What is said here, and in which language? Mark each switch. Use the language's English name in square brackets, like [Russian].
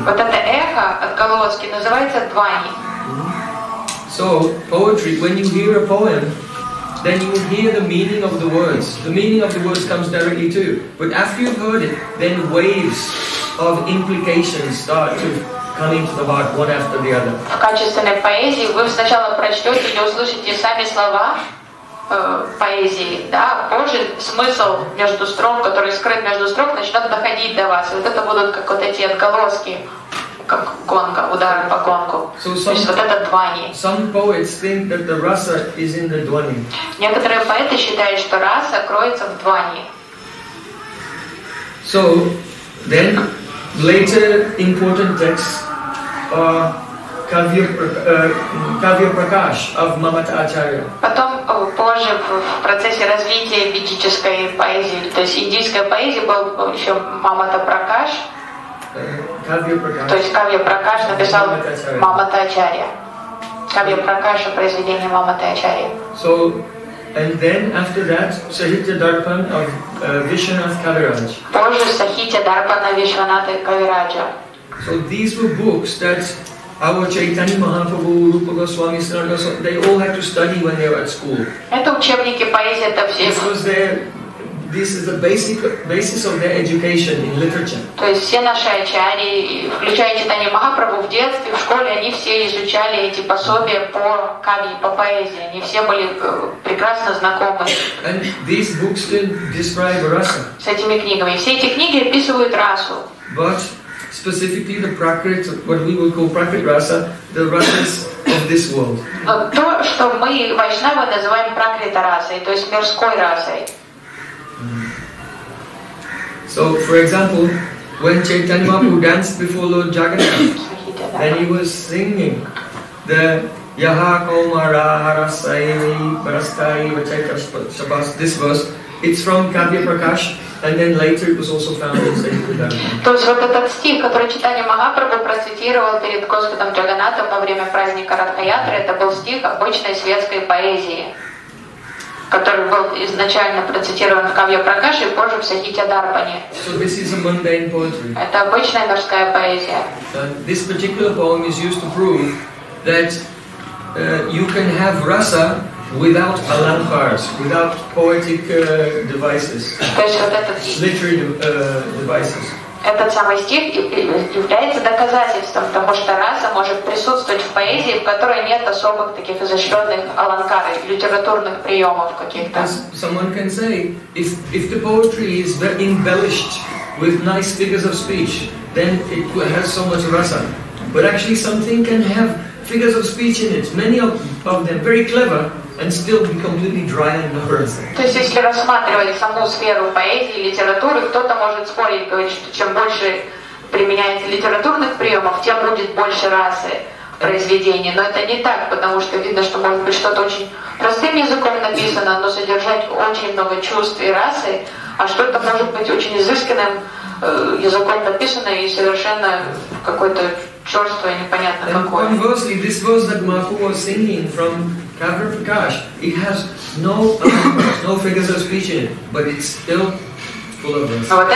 [Russian] Вот это эхо отголоски называется двани. [English] So poetry, when you hear a poem, then you will hear the meaning of the words. The meaning of the words comes directly to you. But after you've heard it, then waves of implications start to come into the heart, one after the other. [Russian] В качественной поэзии вы сначала прочтете или услышите сами слова поэзии, да, позже смысл между строк, который скрыт между строк, начнет доходить до вас. Вот это будут как вот эти отголоски, как гонка, удары по гонку. [English] So some, [Russian] то есть вот это двани. [English] Some poets think that the rasa is in the dvani. [Russian] Некоторые поэты считают, что раса кроется в двани. [English] So, then, later important texts are Kavya Prakash of Mamata Acharya. [Russian] Потом, позже, в процессе развития ведической поэзии, то есть индийской поэзии, был еще Мамата Пракаш. То есть Кавья Пракаш написал Мамата Ачарья. Кавья Пракаша — произведение Мамата Ачарья. [English] So, and then after that, Sahitya Darpan of Vishwanath Kaviraj. [Russian] Позже Сахитья Дарпана Вишванаты Кавираджа. [English] So these were books that our Chaitanya Mahaprabhu, Rupa Goswami, Sarada, so they all had to study when they were at school. [Russian] Это учебники поэзии, это все. [English] This is the basis of their education in literature. [Russian] То есть все наши ачарьи, включая Чайтанья Махапрабху, в детстве, в школе, они все изучали эти пособия по кавье, по поэзии. Они все были прекрасно знакомы. [English] And these books can describe rasa. [Russian] С этими книгами. Все эти книги описывают расу. [English] But specifically the prakrit, what we would call prakrit rasa, the rasas of this world. [Russian] То, что мы вайшнавы называем пракрита расой, то есть мирской расой. [English] So, for example, when Chaitanya Mahaprabhu danced before Lord Jagannath, then he was singing the Yaha Komara Harasayi Barastai Vachaitas, this verse. It's from Kavya Prakash, and then later it was also found in So this is a mundane poetry. This particular poem is used to prove that you can have rasa without alankars, without poetic devices, literary devices. [Russian] Этот самый стих является доказательством того, что раса может присутствовать в поэзии, в которой нет особых таких изощренных аланкар, литературных приемов каких-то. [English] As someone can say, if the poetry is embellished with nice figures of speech, then it has so much rasa. But actually something can have figures of speech in it, many of them very clever, and still be completely dry and nourishing. [Russian] То есть если рассматривать саму сферу поэзии, литературы, кто-то может спорить, говорить, что чем больше применяется литературных приемов, тем будет больше расы произведения. Но это не так, потому что видно, что может быть что-то очень простым языком написано, но содержать очень много чувств и расы, а что-то может быть очень изысканным языком написано и совершенно какое-то черствое, непонятно какое. [English] Conversely, this verse that Mahaprabhu was singing from Kavya Prakash, it has no figures of speech in it, but it's still full of rasa.